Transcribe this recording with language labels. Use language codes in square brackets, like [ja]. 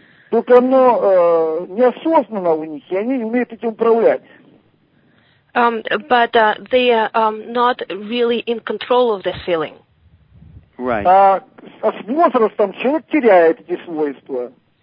[ru] Только оно неосознанно у них, и они умеют этим управлять. [en] But they are not really in control of this feeling. Right. [ru] А с возрастом человек теряет эти свойства.